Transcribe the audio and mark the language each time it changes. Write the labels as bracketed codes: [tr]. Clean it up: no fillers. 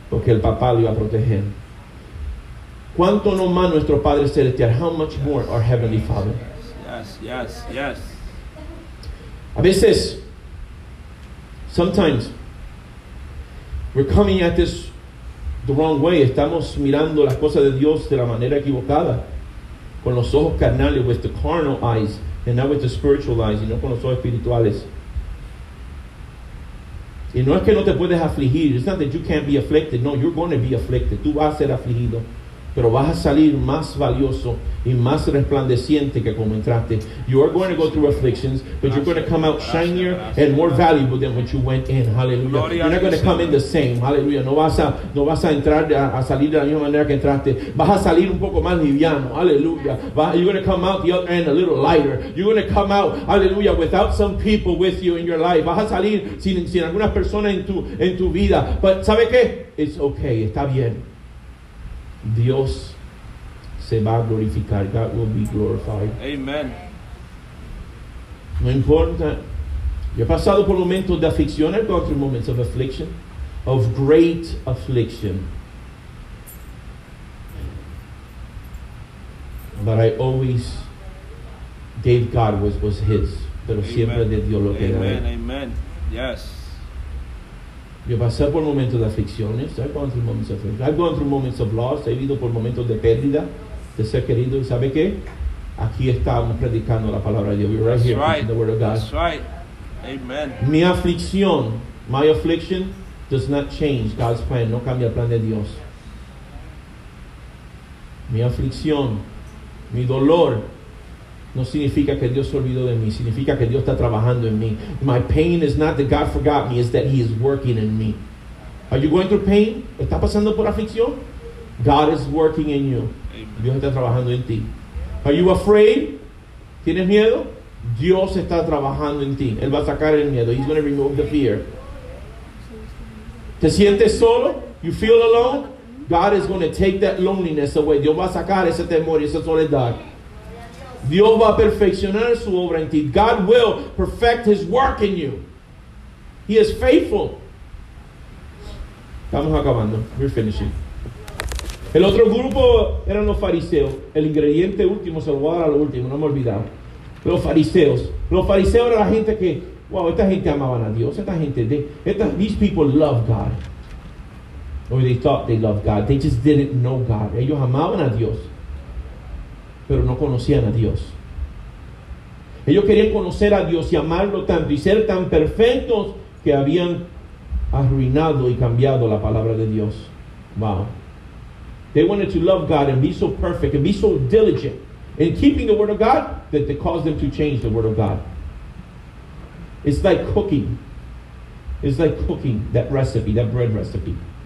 [es] Porque el papá lo iba a proteger. ¿Cuánto no más nuestro Padre Celestial? [en] How much yes. more our Heavenly yes. Father? Yes, yes, yes. [es] A veces, [en] sometimes, we're coming at this the wrong way. [es] Estamos mirando las cosas de Dios de la manera equivocada. Con los ojos carnales, [en] with the carnal eyes. And not with the spiritual eyes, [es] sino con los ojos espirituales. Y no es que no te puedes afligir. [en] It's not that you can't be afflicted. [es] No, you're going to be afflicted. Tú vas a ser afligido. Pero vas a salir más valioso y más resplandeciente que como entraste. [en] You are going to go through afflictions, but you're going to come out shinier and more valuable than what you went in. Hallelujah. You're not going to come in the same. Hallelujah. [es] No vas a entrar a salir de la misma manera que entraste. Vas a salir un poco más liviano. [en] Hallelujah. You're going to come out the other end a little lighter. You're going to come out, hallelujah, without some people with you in your life. [es] Vas a salir sin algunas personas en tu vida. But ¿sabe qué? [en] It's okay. [es] Está bien. Dios se va a glorificar. [en] God will be glorified. Amen. [es] No importa. Yo he pasado por momentos de aflicción. [en] I've gone through moments of affliction. Of great affliction. But I always gave God what was His. [es] Pero [en] Amen. [es] Siempre de Dios lo que era. [en] Amen. Amen. Yes. [es] Yo pasé por momentos de aflicciones. [en] I've gone through moments of affliction. I've gone through moments of loss. [es] He vivido por momentos de pérdida de ser querido. ¿Y sabe qué? Aquí estamos predicando la palabra de Dios. [en] We're right That's here right. in the Word of God. That's right. Amen. [es] Mi aflicción, [en] my affliction, does not change God's plan. [es] No cambia el plan de Dios. Mi aflicción, mi dolor, no significa que Dios se olvidó de mí. Significa que Dios está trabajando en mí. [en] My pain is not that God forgot me. It's that He is working in me. Are you going through pain? [es] ¿Está pasando por aflicción? [en] God is working in you. Amen. [es] Dios está trabajando en ti. [en] Are you afraid? [es] ¿Tienes miedo? Dios está trabajando en ti. Él va a sacar el miedo. [en] He's going to remove the fear. [es] ¿Te sientes solo? [en] You feel alone? God is going to take that loneliness away. [es] Dios va a sacar ese temor y esa soledad. Dios va a perfeccionar su obra en ti. [en] God will perfect his work in you. He is faithful. [es] Estamos acabando. [en] We're finishing. [es] El otro grupo eran los fariseos. El ingrediente último, se lo voy a dar a lo último, no me he olvidado. Los fariseos. Los fariseos eran la gente que, wow, esta gente amaban a Dios. Esta gente, [en] these people love God. Or they thought they loved God. They just didn't know God. [es] Ellos amaban a Dios, pero no conocían a Dios. Ellos querían conocer a Dios y amarlo tanto y ser tan perfectos que habían arruinado y cambiado la palabra de Dios. [en] Wow. They wanted to love God and be so perfect and be so diligent in keeping the word of God that they caused them to change the word of God. It's like cooking. It's like cooking that recipe, that bread recipe.